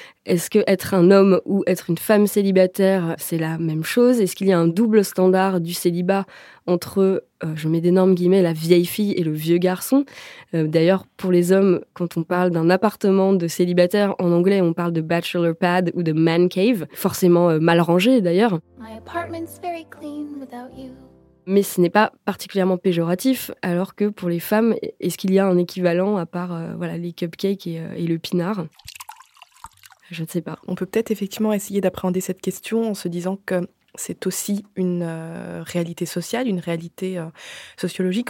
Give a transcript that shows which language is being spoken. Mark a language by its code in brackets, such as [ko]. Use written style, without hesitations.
[fr] Est-ce que être un homme ou être une femme célibataire, c'est la même chose? Est-ce qu'il y a un double standard du célibat entre, je mets d'énormes guillemets, la vieille fille et le vieux garçon? D'ailleurs, pour les hommes, quand on parle d'un appartement de célibataire, en anglais, on parle de bachelor pad ou de man cave, forcément mal rangé d'ailleurs. [en] My apartment's very clean without you. [fr] Mais ce n'est pas particulièrement péjoratif, alors que pour les femmes, est-ce qu'il y a un équivalent à part voilà, les cupcakes et le pinard? Je ne sais pas. On peut peut-être effectivement essayer d'appréhender cette question en se disant que c'est aussi une réalité sociale, une réalité sociologique.